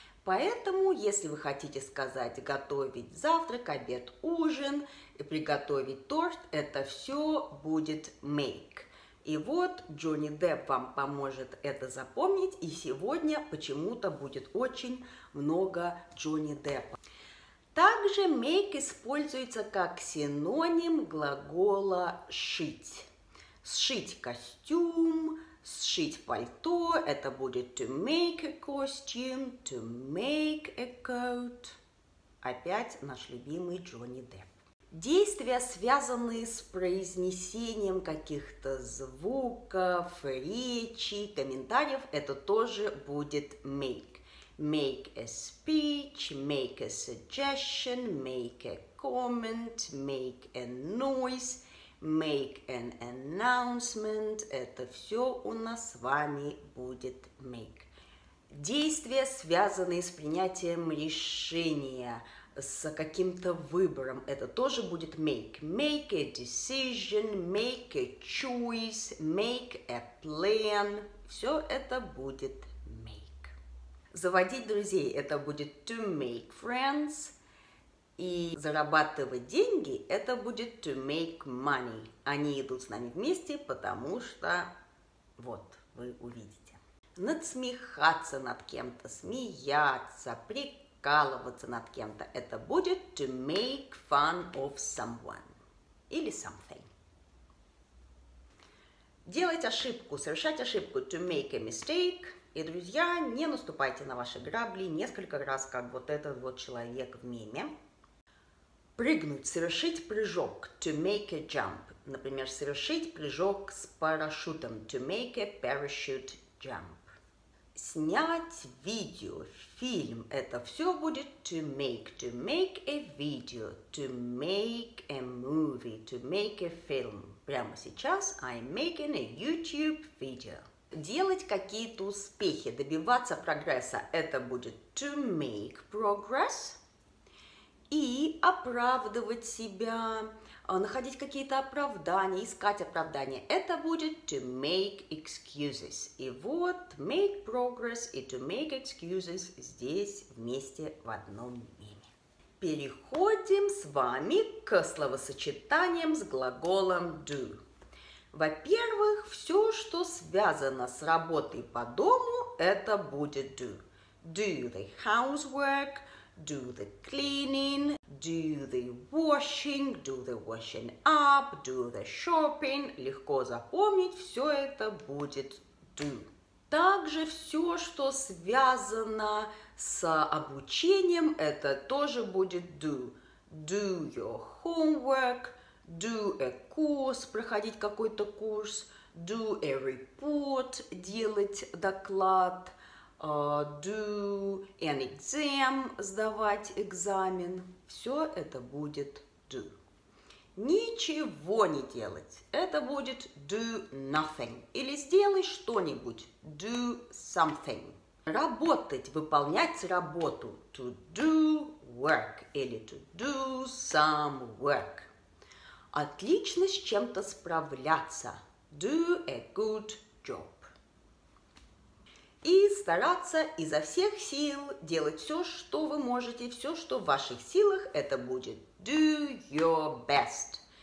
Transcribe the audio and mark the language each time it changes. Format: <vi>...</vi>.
<ru>Поэтому, если вы хотите сказать готовить завтрак, обед, ужин, приготовить торт, это все будет make. И вот Джонни Депп вам поможет это запомнить, и сегодня почему-то будет очень много Джонни Деппа. Также make используется как синоним глагола шить. Сшить костюм, сшить пальто, это будет to make a costume, to make a coat. Опять наш любимый Джонни Депп. Действия, связанные с произнесением каких-то звуков, речи, комментариев, это тоже будет make.</ru> <en>Make a speech, make a suggestion, make a comment, make a noise, make an announcement.</en> <ru>Это все у нас с вами будет make. Действия, связанные с принятием решения, с каким-то выбором, это тоже будет make.</ru> <en>Make a decision, make a choice, make a plan.</en> <ru>Все это будет make. Заводить друзей, это будет to make friends. И зарабатывать деньги, это будет to make money. Они идут с нами вместе, потому что, вот, вы увидите. Надсмехаться над кем-то, смеяться, прикалываться над кем-то, это будет to make fun of someone или something. Делать ошибку, совершать ошибку, to make a mistake. И, друзья, не наступайте на ваши грабли несколько раз, как вот этот вот человек в меме. Прыгнуть, совершить прыжок, to make a jump. Например, совершить прыжок с парашютом, to make a parachute jump. Снять видео, фильм, это все будет to make a video, to make a movie, to make a film. Прямо сейчас I'm making a YouTube video. Делать какие-то успехи, добиваться прогресса, это будет to make progress. И оправдывать себя, находить какие-то оправдания, искать оправдания, это будет to make excuses. И вот make progress и to make excuses здесь вместе в одном меме. Переходим с вами к словосочетаниям с глаголом do. Во-первых, все, что связано с работой по дому, это будет do.</ru> <en>Do the housework, do the cleaning, do the washing, do the washing up, do the shopping.</en> <ru>Легко запомнить, все это будет do. Также все, что связано с обучением, это тоже будет do.</ru> <en>Do your homework, do a course,</en> <ru>проходить какой-то курс,</ru> <en>do a report,</en> <ru>делать доклад,</ru> <en>do an exam,</en> <ru>сдавать экзамен, все это будет</ru> <en>do.</en> <ru>Ничего не делать, это будет</ru> <en>do nothing,</en> <ru>или сделай что-нибудь,</ru> <en>do something.</en> <ru>Работать, выполнять работу,</ru> <en>to do work, или to do some work.</en> <ru>Отлично с чем-то справляться,</ru> <en>do a good job.</en> <ru>и стараться изо всех сил делать все, что вы можете, все, что в ваших силах, это будет</ru> <en>do your best.</en>